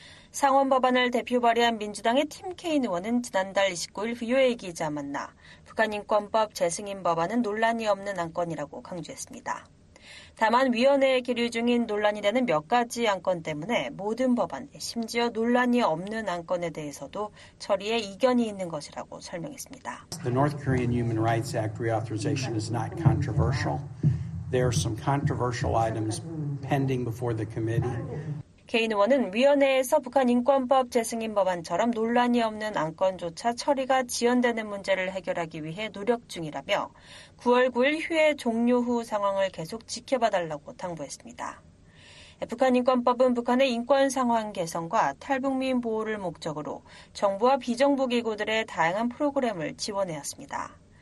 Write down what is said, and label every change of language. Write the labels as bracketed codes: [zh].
[ko] 상원 법안을 대표 발의한 민주당의 팀 케인 의원은 지난달 29일 VOA 기자 만나 북한 인권법 재승인 법안은 논란이 없는 안건이라고 강조했습니다. 다만 위원회에 계류 중인 논란이 되는 몇 가지 안건 때문에 모든 법안, 심지어 논란이 없는 안건에 대해서도 처리에 이견이 있는 것이라고 설명했습니다. [en] The North Korean Human Rights Act reauthorization is not controversial. There are some controversial items pending before the committee. [ko] 케인 의원은 위원회에서 북한 인권법 재승인 법안처럼 논란이 없는 안건조차 처리가 지연되는 문제를 해결하기 위해 노력 중이라며 9월 9일 휴회 종료 후 상황을 계속 지켜봐달라고 당부했습니다. 북한 인권법은 북한의 인권 상황 개선과 탈북민 보호를 목적으로 정부와 비정부기구들의 다양한 프로그램을 지원해왔습니다.